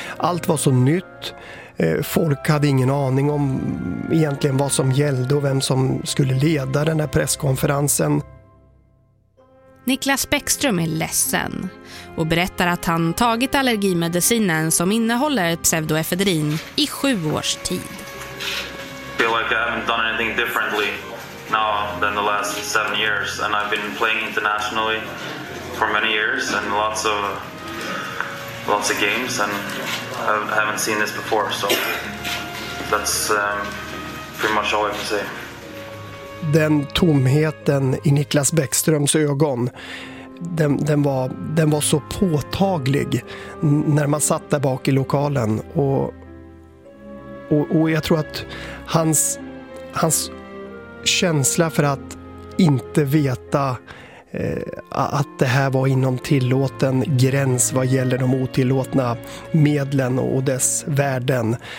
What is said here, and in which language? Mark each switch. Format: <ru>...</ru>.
<sv>Allt var så nytt, folk hade ingen aning om egentligen vad som gällde och vem som skulle leda den här presskonferensen. Niklas Bäckström är ledsen och berättar att han tagit allergimedicinen som innehåller pseudoefedrin i 7 års tid.</sv> <en>I feel like I haven't done anything differently now than the last 7 years and I've been playing internationally for many years and lots of games and I haven't seen this before, so that's pretty much all I can say.</en> <sv>Den tomheten i Niklas Bäckströms ögon, den var så påtaglig när man satt där bak i lokalen och jag tror att hans känsla för att inte veta att det här var inom tillåten gräns vad gäller de otillåtna medlen och dess värden.</sv>